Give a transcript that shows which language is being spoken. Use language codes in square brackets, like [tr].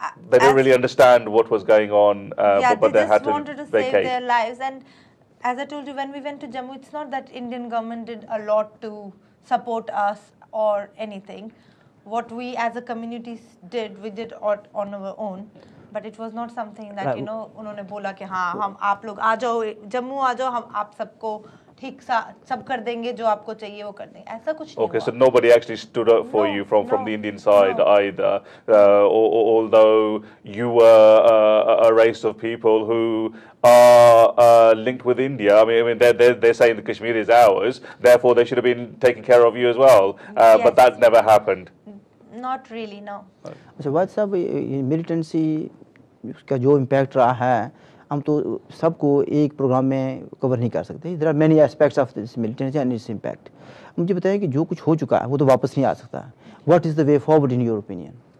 [en] They didn't really understand what was going on, but they had to vacate. Yeah, they just wanted to save their lives. And as I told you, when we went to Jammu, it's not that Indian government did a lot to support us or anything. What we as a community did, we did on our own. But it was not something that, you know, [hi] उन्होंने बोला कि हाँ हम आप लोग आ जाओ जम्मू आ जाओ हम आप सबको ठीक सा सब कर देंगे जो आपको चाहिए वो कर देंगे ऐसा कुछ नहीं [en] okay so nobody actually stood up for you from the Indian side either although you were a race of people who are linked with India. I mean they're saying the Kashmir is ours, therefore they should have been taking care of you as well. Yes. But that never happened. Not really, no. So what's up [hi] militancy ka jo impact raha hai, हम तो सबको एक programme में cover नहीं कर सकते। [en] There are many aspects of this militancy and its impact. [hi] मुझे बताएं कि जो कुछ हो चुका है वो तो वापस नहीं आ सकता। [en] What is the way forward in your opinion?